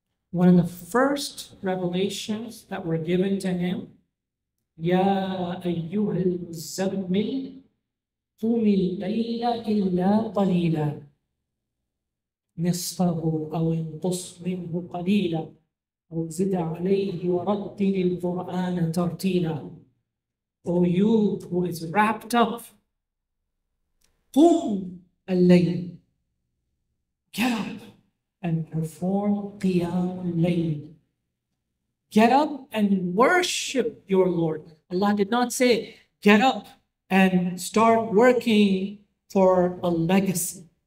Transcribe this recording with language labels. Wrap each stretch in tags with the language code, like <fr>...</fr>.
<en>One of the first revelations that were given to him,</en> <ar>Ya ayyuhal muzammil, qumi layla illa qalila, nisfahu aw inqus minhu qalila. أو زد عليه ورتل القرآن ترتيلا.</ar> <en>Oh you who is wrapped up,</en> <ar>قم الليل.</ar> <en>Get up and perform قيام الليل. Get up and worship your Lord. Allah did not say, get up and start working for a legacy.</en>